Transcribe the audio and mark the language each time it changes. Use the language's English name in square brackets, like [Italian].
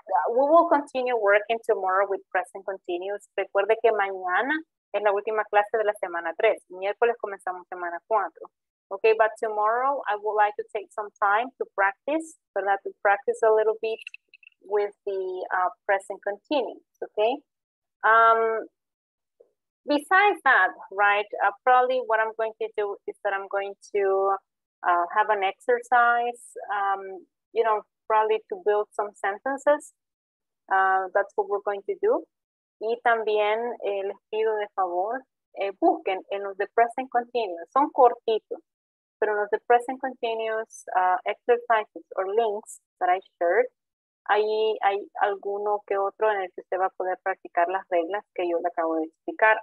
[English] We will continue working tomorrow with present continuous. [Spanish] Recuerde que mañana es la última clase de la semana 3. Miércoles comenzamos semana 4. [English] Okay, but tomorrow I would like to take some time to practice, ¿verdad? To practice a little bit with the present continuous, okay? Besides that, right, probably what I'm going to do is that I'm going to have an exercise, you know, probably to build some sentences. That's what we're going to do. [Spanish] Y también les pido de favor, busquen en los de present continuous. Son cortitos, pero en los de present continuous exercises or links that I shared, ahí hay alguno que otro en el que usted va a poder practicar las reglas que yo le acabo de explicar.